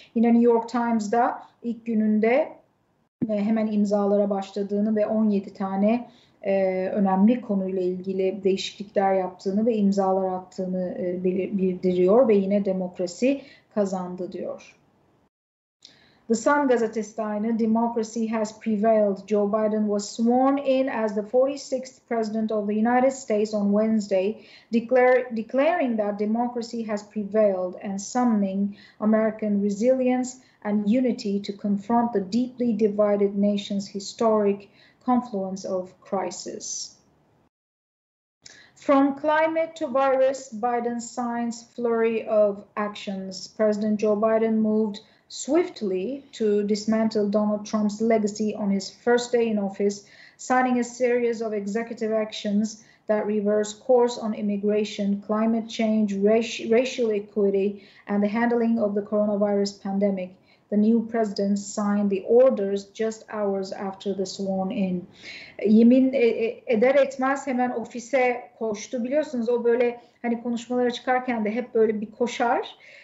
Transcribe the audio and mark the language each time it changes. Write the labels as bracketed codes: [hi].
[tr] Yine New York Times'da ilk gününde hemen imzalara başladığını ve 17 tane önemli konuyla ilgili değişiklikler yaptığını ve imzalar attığını bildiriyor ve yine demokrasi kazandı diyor. The Sun gazetesi de aynı. [en] Democracy has prevailed. Joe Biden was sworn in as the 46th president of the United States on Wednesday, declaring that democracy has prevailed and summoning American resilience and unity to confront the deeply divided nation's historic confluence of crisis. From climate to virus, Biden signs flurry of actions. President Joe Biden moved swiftly to dismantle Donald Trump's legacy on his first day in office, signing a series of executive actions that reverse course on immigration, climate change, racial equity, and the handling of the coronavirus pandemic. The new president signed the orders just hours after the sworn in. [tr] Yemin eder etmez hemen ofise koştu. Biliyorsunuz o böyle hani konuşmalara çıkarken de hep böyle bir koşar.